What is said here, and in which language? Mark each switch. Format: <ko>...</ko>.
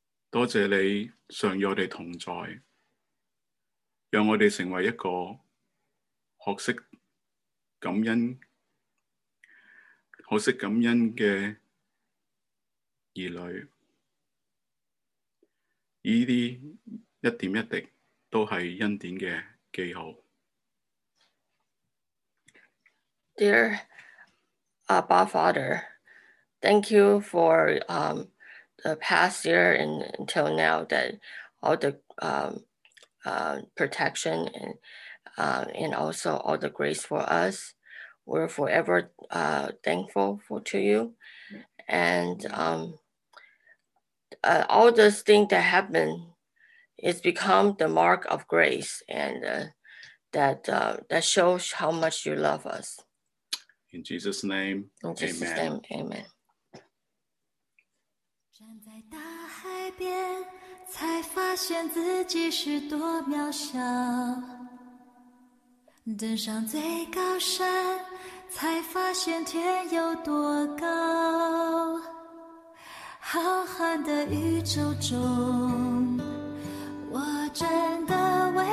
<zh>多谢你常与我们同在，让我们成为一个学识感恩、学识感恩的儿女，这些一点一滴都是恩典的记号。</zh> <en>Dear Abba Father, thank you for the past year and until now that all the protection and also all the grace for us. We're forever thankful to you. And all this thing that happened is become the mark of grace and that shows how much you love us. In Jesus' name, Amen.</en> <zh>站在大海边才发现自己是多渺小，登上最高山才发现天有多高，浩瀚的宇宙中，我真的。</zh>